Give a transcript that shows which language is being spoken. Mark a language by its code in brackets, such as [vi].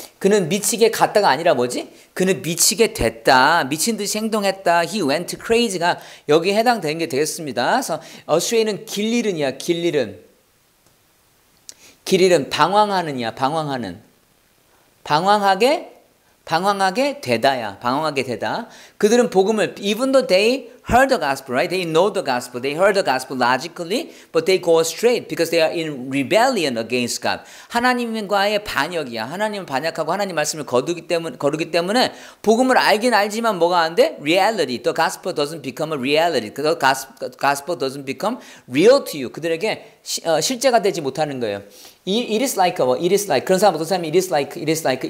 [ko] 그는 미치게 갔다가 아니라 뭐지? 그는 미치게 됐다. 미친 듯이 행동했다. [en] He went crazy [ko] 가 여기에 해당되는 게 되겠습니다. 그래서 어스웨이는 길 잃은이야. 길 잃은. 길 잃은 방황하는이야. 방황하는. 방황하게 방황하게 되다야. 방황하게 되다. 그들은 복음을 [en] even though they heard the gospel, right? They know the gospel. They heard the gospel logically, but they go astray because they are in rebellion against God. [ko] 하나님과의 반역이야. 하나님을 반역하고 하나님 말씀을 거르기 때문에 복음을 알긴 알지만 뭐가 안 돼? [en] Reality. The gospel doesn't become a reality. The gospel doesn't become real to you. [ko] 그들에게 실제가 되지 못하는 거예요. [en] It is like, well, it is like. [ko] 그런 사람 어떤 사람이 [en] it is like.